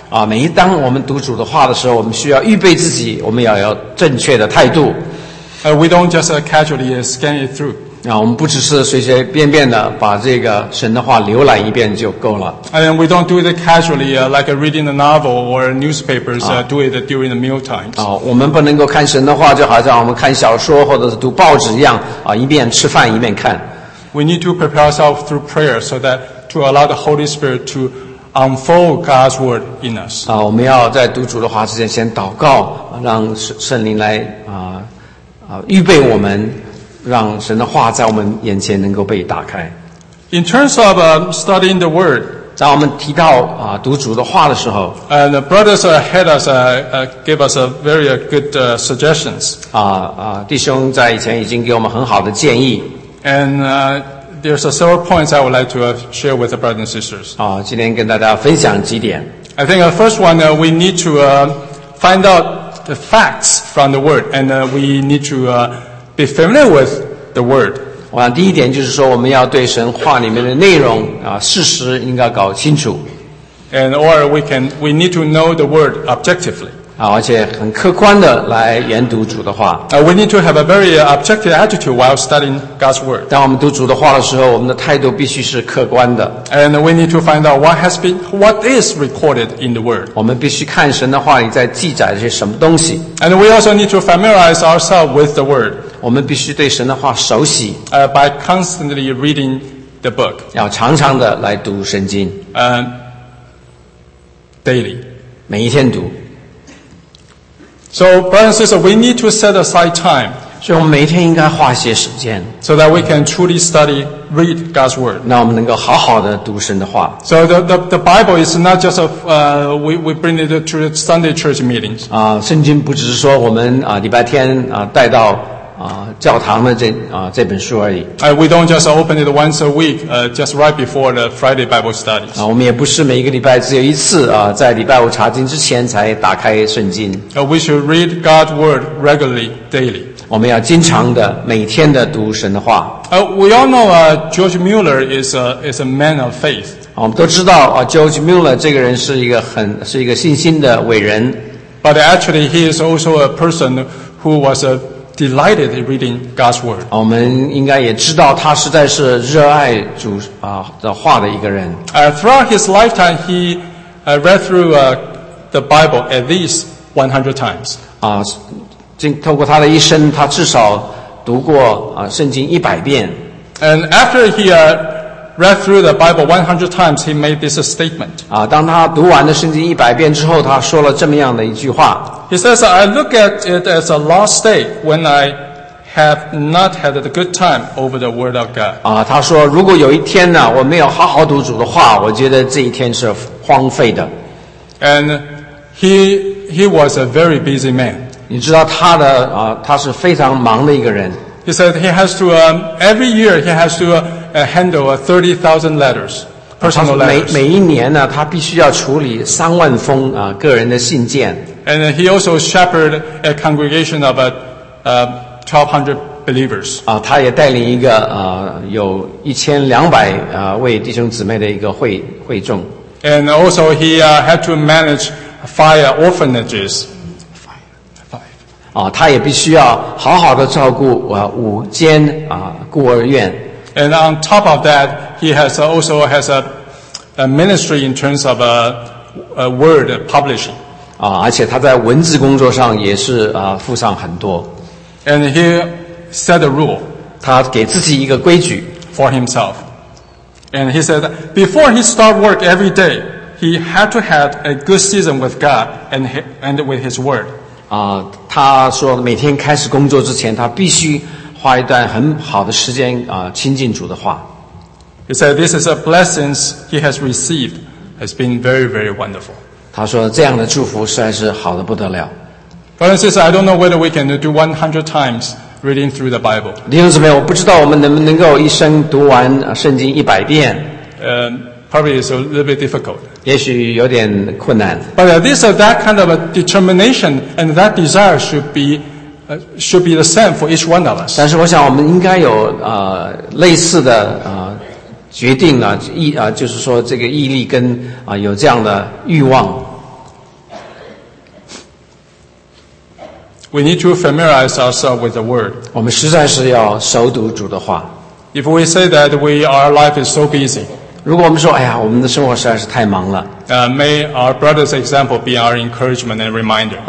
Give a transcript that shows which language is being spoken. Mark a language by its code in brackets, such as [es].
[zh] 啊，每一当我们读主的话的时候，我们需要预备自己，我们要有正确的态度。 [en] We don't just casually scan it through. [zh] 啊，我们不只是随随便便的把这个神的话浏览一遍就够了。 [en] And we don't do it casually, like reading a novel or newspapers, do it during the meal times. [zh] 啊，我们不能够看神的话就好像我们看小说或者是读报纸一样，啊，一边吃饭一边看。 [en] We need to prepare ourselves through prayer so that to allow the Holy Spirit to unfold God's word in us. [zh] 啊，我们要在读主的话之前先祷告，让圣灵来预备我们。让神的话在我们眼前能够被打开。 [en] In terms of studying the word, [zh] 当我们提到读主的话的时候 [en] ，and the brothers ahead us gave us a very good suggestions. [zh] 弟兄在以前已经给我们很好的建议。 [en] And there's several points I would like to share with the brothers and sisters. [zh] 今天跟大家分享几点。 [en] I think the first one we need to find out the facts from the word, and we need to be familiar with the word. [zh] 我想第一点就是说，我们要对神话里面的内容事实应该搞清楚。 [en] And or we need to know the word objectively. [zh] 而且很客观的来研读主的话。 [en] We need to have a very objective attitude while studying God's word. [zh] 当我们读主的话的时候，我们的态度必须是客观的。 [en] And we need to find out what is recorded in the word. [zh] 我们必须看神的话里在记载些什么东西。 [en] And we also need to familiarize ourselves with the word. [zh] 我们必须对神的话熟悉。 [en] By constantly reading the book. [zh] 要常常的来读圣经。 [en] Daily. [zh] 每一天读。 [en] So, brothers and sisters, we need to set aside time. [zh] 所以我们每一天应该花些时间。 [en] So that we can truly study, read God's word. [zh] 那我们能够好好的读神的话。 [en] So the Bible is not just we bring it to Sunday church meetings. [zh] 圣经不只是说我们礼拜天带到教堂的这本书而已。 [en] We don't just open it once a week, just right before the Friday Bible study. [zh] 我们也不是每一个礼拜只有一次在礼拜五查经之前才打开圣经。 [en] We should read God's word regularly, daily. [zh] 我们要经常的每天的读神的话。 [en] We all know George Mueller is a man of faith. [zh] 我们都知道George Mueller 这个人是一个信心的伟人。 [en] But actually, he is also a person who was a delighted in reading God's word. [zh] 我们应该也知道他实在是热爱主的话的一个人。 [en] Throughout his lifetime, he read through the Bible at least 100 times. [zh] 透过他的一生，他至少读过圣经100遍。 [en] And after he read through the Bible 100 times, he made this statement. [zh] 当他读完了圣经100遍之后，他说了这么样的一句话。 [en] He says, I look at it as a lost state when I have not had a good time over the word of God. [zh] 他说如果有一天呢，我没有好好读主的话，我觉得这一天是荒废的。 [en] And he was a very busy man. [zh] 你知道他的他是非常忙的一个人。 [en] He said he has to, every year he has to handle 30,000 letters. [zh] 每一年呢，他必须要处理3万封个人的信件。 [en] And he also shepherded a congregation of 1200 believers. [zh] 啊，他也带领一个有1200位弟兄姊妹的一个会众。 [en] And also he had to manage five orphanages. [zh] 啊，他也必须要好好的照顾五间孤儿院。 [en] And on top of that, he has also has a ministry in terms of a word publishing. [zh] 啊，而且他在文字工作上也是付上很多。 [en] And he set a rule. [zh] 他给自己一个规矩。 [en] For himself. And he said before he start work every day, he had to have a good season with God and with his word. [zh] 啊，他说每天开始工作之前，他必须花一段很好的时间亲近主的话。 [en] He said, "This is a blessing he has received. Has been very, very wonderful." [zh] 他说这样的祝福实在是好的不得了。 [en] Brothers and sisters, I don't know whether we can do 100 times reading through the Bible. [zh] 弟兄姊妹，我不知道我们能够一生读完圣经100遍。 [en] Probably it's a little bit difficult. [zh] 也许有点困难。 [en] But this or that kind of a determination and that desire should be the same for each one of us. [zh] 但是我想我们应该有类似的决定啊，就是说这个毅力跟有这样的欲望。 [en] We need to familiarize ourselves with the word. [zh] 我们实在是要熟读主的话。 [en] If we say that our life is so busy. [zh] 如果我们说哎呀我们的生活实在是太忙了。 [en] May our brother's example be our encouragement and reminder.